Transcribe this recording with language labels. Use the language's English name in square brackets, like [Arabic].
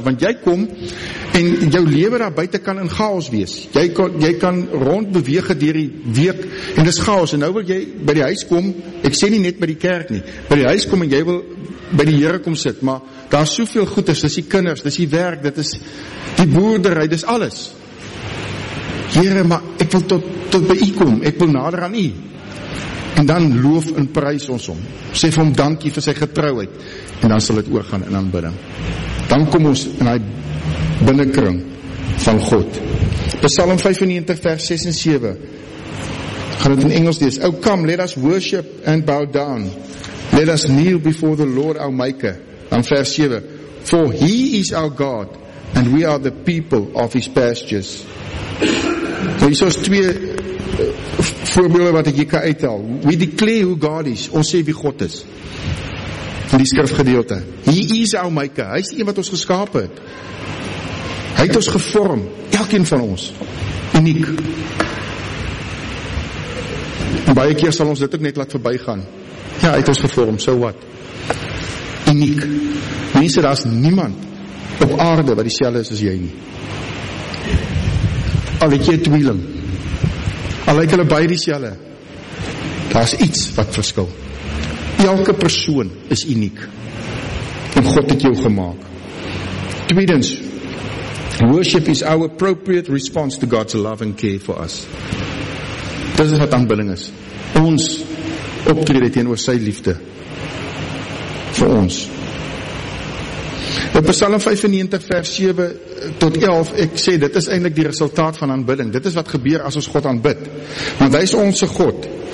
[Afrikaans] Want jy kom en jou lewe daar buite kan in chaos wees. Jy kan rondbeweeg deur die week en dis chaos. En nou wil jy by die huis kom, ek sê nie net by die kerk nie, by die huis kom en jy wil by die Here kom sit, maar daar is soveel goeders, dis die kinders, dis die werk, dit is die boerdery, dis alles. Here, maar ek wil tot by u kom, ek wil nader aan u. En dan loof en prys ons hom. Sê vir hom dankie vir sy getrouheid. En dan sal dit oorgaan in aanbidding. Dan kom ons in hy binnenkring van God. Psalm 95 vers 6 en 7. Gaan dit in Engels lees. [English] O come, let us worship and bow down. Let us kneel before the Lord our Maker. [Afrikaans] Dan vers 7. [English] For he is our God and we are the people of his pastures. [Afrikaans] Nou, hier is twee voorbeelde wat ek hier kan uithaal. [English] We declare who God is. [Afrikaans] Ons sê wie God is. In die skrifgedeelte. [English] He is our Maker. [Afrikaans] Hy is die een wat ons geskaap het. Hy het ons gevorm. Elkeen van ons. Uniek. En baie keer sal ons dit ook net laat verbygaan. Ja, hy het ons gevorm. [English] So what? [Afrikaans] Uniek. Mense, daar is niemand op aarde wat dieselfde is as jy nie. Al het jy tweeling, al lyk hulle baie dieselfde, daar is iets wat verskil. Elke persoon is uniek. En God het jou gemaak. Tweedens, [English] worship is our appropriate response to God's love and care for us. [Afrikaans] Dis is wat aanbidding is. Ons optrede teenoor sy liefde vir ons. Op Psalm 95 vers 7 tot 11, ek sê, dit is eintlik die resultaat van aanbidding. Dit is wat gebeur as ons God aanbid. Want hy is onse God.